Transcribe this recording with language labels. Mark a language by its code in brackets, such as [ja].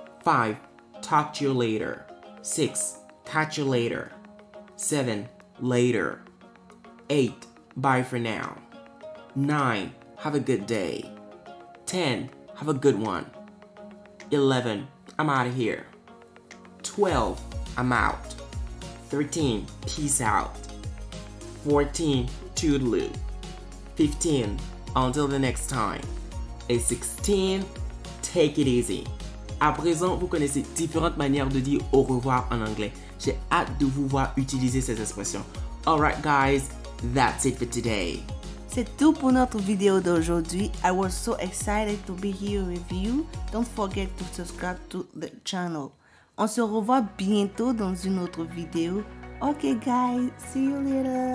[en] 5. Talk to you later. 6. Catch you later. 7. Later. 8. Bye for now. 9. Have a good day. 10. Have a good one. 11. I'm out of here. 12. I'm out. 13. Peace out. 14. Toodaloo. 15. Until the next time. And 16. Take it easy. [fr] À présent, vous connaissez différentes manières de dire au revoir en anglais. J'ai hâte de vous voir utiliser ces expressions. [en] Alright guys, that's it for today. [fr] C'est tout pour notre vidéo d'aujourd'hui. [en] I was so excited to be here with you. Don't forget to subscribe to the channel. [fr] On se revoit bientôt dans une autre vidéo. [en] Okay guys, see you later.